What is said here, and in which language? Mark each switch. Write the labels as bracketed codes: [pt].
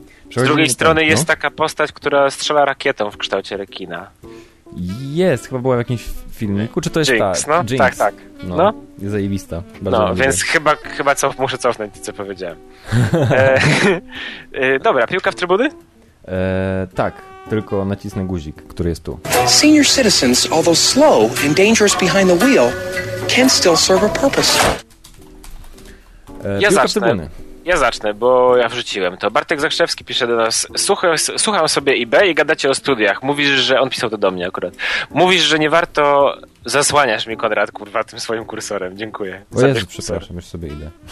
[pl] Przechodzi z drugiej strony jest taka postać, która strzela rakietą w kształcie rekina. Jest, chyba była w jakimś filmiku. Czy to jest Jinx, ta? No? Jinx. Tak, tak. No. Jest zajebista. No, więc chyba muszę cofnąć to, co powiedziałem. dobra, piłka w trybuny? Tak. Tylko nacisnę guzik, który jest tu. [en] Senior citizens, although slow and dangerous behind the wheel, can still serve a purpose. [pl] Ja zacznę. Ja zacznę, bo ja wrzuciłem to. Bartek Zakrzewski pisze do nas. Słucham sobie IB i gadacie o studiach. Mówisz, że... On pisał to do mnie akurat. Mówisz, że nie warto... Zasłaniasz mi, Konrad, kurwa, tym swoim kursorem. Dziękuję. O Jezu, przepraszam, już sobie idę.